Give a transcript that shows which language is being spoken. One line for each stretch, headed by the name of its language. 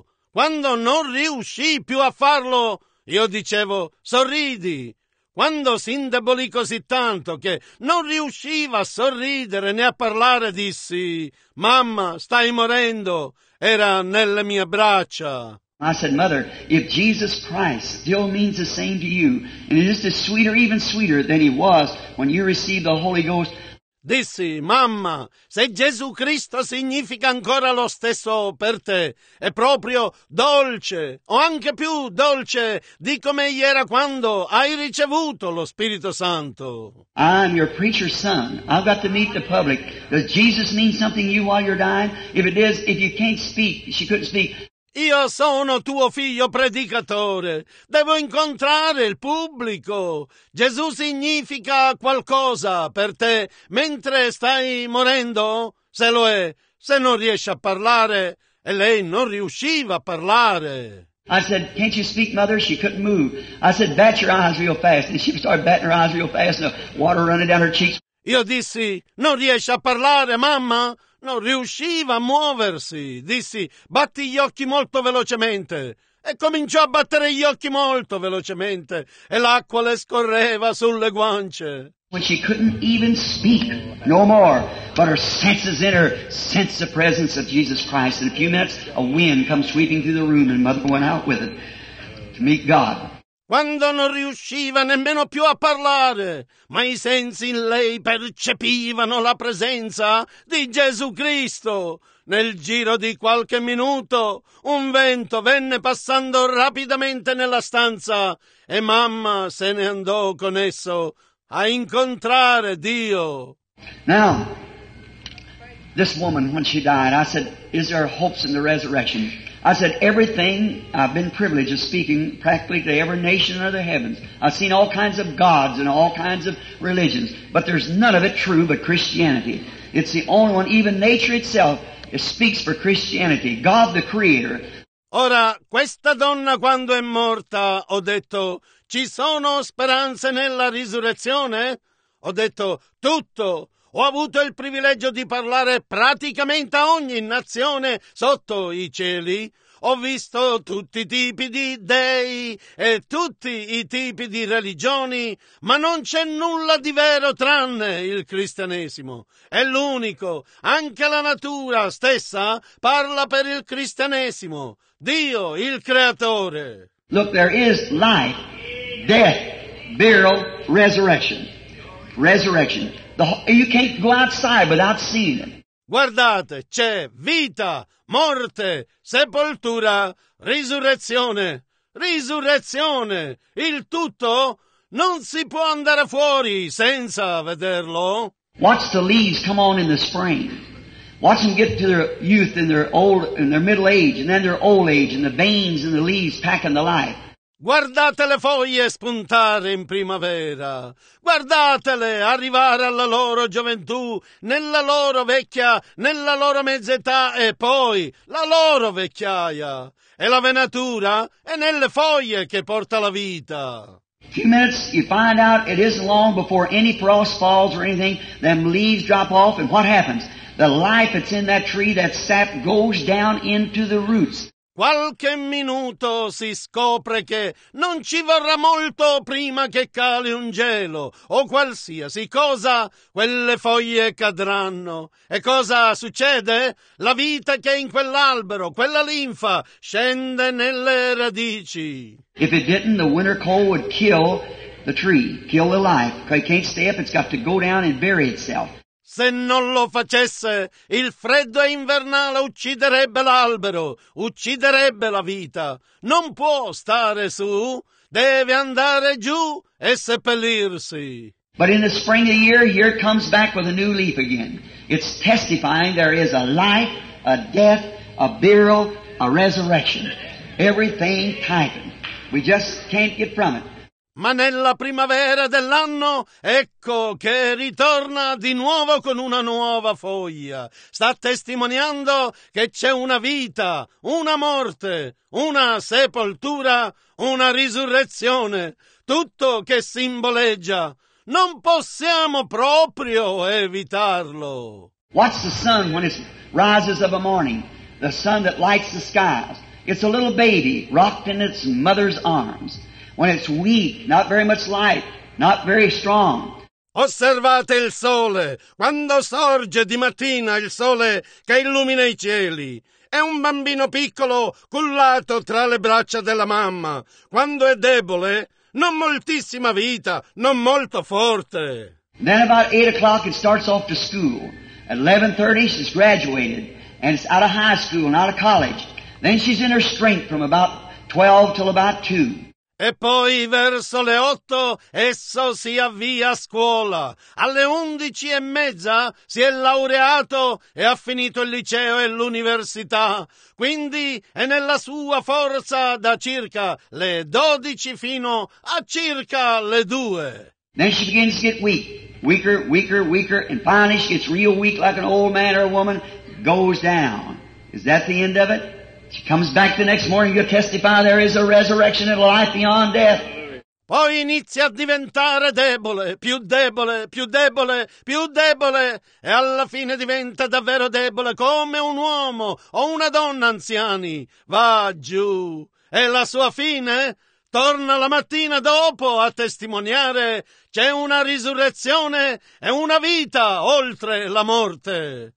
Italian: Quando non riuscì più a farlo, io dicevo, sorridi. Quando si indebolì così tanto che non riusciva a sorridere né a parlare, dissi, mamma, stai morendo, era nelle mie braccia.
English: I said, mother, if Jesus Christ still means the same to you, and it is just as sweeter, even sweeter than he was when you received the Holy Ghost.
Italian: Dissi, mamma, se Gesù Cristo significa ancora lo stesso per te, è proprio dolce, o anche più dolce di come era quando hai ricevuto lo Spirito Santo.
English: I'm your preacher's son. I've got to meet the public. Does Jesus mean something to you while you're dying? If it is, if you can't speak, she couldn't speak.
Italian: Io sono tuo figlio predicatore. Devo incontrare il pubblico. Gesù significa qualcosa per te mentre stai morendo? Se lo è, se non riesci a parlare. E lei non riusciva a parlare.
English: I said, can't you speak, mother? She couldn't move. I said, bat your eyes real fast. And she started batting her eyes real fast and the water running down her cheeks.
Italian: Io dissi, non riesci a parlare, mamma? Non riusciva a muoversi. Dissi, batti gli occhi molto velocemente. E cominciò a battere gli occhi molto velocemente. E l'acqua le scorreva sulle guance.
English: When she couldn't even speak no more, but her senses in her sense the presence of Jesus Christ. In a few minutes, a wind comes sweeping through the room and mother went out with it to meet God.
Italian: Quando non riusciva nemmeno più a parlare, ma i sensi in lei percepivano la presenza di Gesù Cristo. Nel giro di qualche minuto, un vento venne passando rapidamente nella stanza e mamma se ne andò con esso a incontrare Dio.
English: Now, this woman, when she died, I said, is there hopes in the resurrection? I said, everything I've been privileged of speaking practically to every nation under the heavens. I've seen all kinds of gods and all kinds of religions, but there's none of it true but Christianity. It's the only one, even nature itself, it speaks for Christianity, God the Creator.
Italian: Ora, questa donna quando è morta, ho detto, ci sono speranze nella risurrezione? Ho detto, tutto, Ho avuto il privilegio di parlare praticamente a ogni nazione sotto i cieli. Ho visto tutti i tipi di dei e tutti i tipi di religioni, ma non c'è nulla di vero tranne il cristianesimo. È l'unico, anche la natura stessa parla per il cristianesimo, Dio il creatore.
English: Look, there is life, death, burial, resurrection. Resurrection. You can't go outside without seeing it.
Italian: Guardate, c'è vita, morte, sepoltura, risurrezione, risurrezione, il tutto non si può andare fuori senza vederlo.
English: Watch the leaves come on in the spring. Watch them get to their youth and their old and their middle age and then their old age and the veins and the leaves packing the life.
Italian: Guardate le foglie spuntare in primavera, guardatele arrivare alla loro gioventù, nella loro vecchia, nella loro mezza età e poi la loro vecchiaia. E la venatura è nelle foglie che porta la vita.
English: A few minutes, you find out it isn't long before any frost falls or anything, them leaves drop off, and what happens? The life that's in that tree, that sap goes down into the roots.
Italian: Qualche minuto si scopre che non ci vorrà molto prima che cali un gelo o qualsiasi cosa, quelle foglie cadranno. E cosa succede? La vita che è in quell'albero, quella linfa, scende nelle radici.
English: If it didn't, the winter cold would kill the tree, kill the life. It can't stay up, it's got to go down and bury itself.
Italian: Se non lo facesse, il freddo invernale ucciderebbe l'albero, ucciderebbe la vita. Non può stare su, deve andare giù e seppellirsi.
English: But in the spring of the year, here it comes back with a new leaf again. It's testifying there is a life, a death, a burial, a resurrection. Everything tightened. We just can't get from it.
Italian: Ma nella primavera dell'anno, ecco che ritorna di nuovo con una nuova foglia. Sta testimoniando che c'è una vita, una morte, una sepoltura, una risurrezione. Tutto che simboleggia. Non possiamo proprio evitarlo.
English: Watch the sun when it rises of a morning, the sun that lights the skies. It's a little baby rocked in its mother's arms. When it's weak, not very much light, not very strong.
Italian: Osservate il sole. Quando sorge di mattina il sole che illumina i cieli. È un bambino piccolo cullato tra le braccia della mamma. Quando è debole, non moltissima vita, non molto forte.
English: Then about 8 o'clock it starts off to school. At 11:30 she's graduated and it's out of high school, not a college. Then she's in her strength from about 12 till about 2.
Italian: E poi verso le 8 esso si avvia a scuola. Alle 11:30 si è laureato e ha finito il liceo e l'università. Quindi è nella sua forza da circa le 12 fino a circa le 2.
English: Then she begins to get weak, weaker, weaker, weaker, and finally she gets real weak like an old man or a woman, goes down. Is that the end of it? She comes back the next morning, you testify there is a resurrection and a life beyond death.
Italian: Poi inizia a diventare debole, più debole, più debole, più debole, e alla fine diventa davvero debole, come un uomo o una donna anziani. Va giù. E la sua fine? Torna la mattina dopo a testimoniare c'è una risurrezione e una vita oltre la morte.